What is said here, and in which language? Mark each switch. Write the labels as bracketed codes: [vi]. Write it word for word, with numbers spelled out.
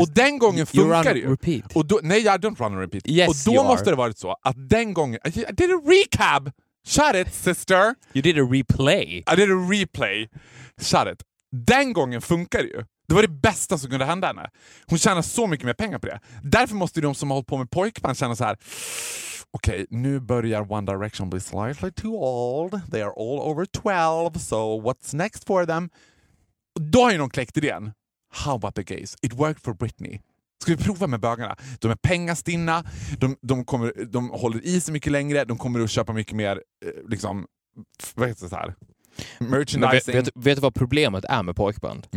[sv] Och den gången funkar det ju. [en] Repeat. [sv] Och då, nej, [en] I don't run on repeat. Yes, [sv] och då [en] you [sv] måste [en] are. [sv] Det varit så att den gången... [en] I did a recap! Shut it, sister! You did a replay. I did a replay. Shut it. [sv] Den gången funkar det ju. Det var det bästa som kunde hända henne. Hon tjänar så mycket mer pengar på det. Därför måste ju de som har hållit på med pojkband känna så här. Okej, okay, nu börjar One Direction bli [en] slightly too old. They are all over twelve, so what's next for them? [sv] Då har ju någon kläckt idén. [en] How about the gays? It worked for Britney. [sv] Ska vi prova med bögarna? De är pengastinna. De, de, kommer, de håller i sig mycket längre. De kommer att köpa mycket mer liksom, vad heter det så här? Merchandising. Vet, vet, vet du vad problemet är med pojkband?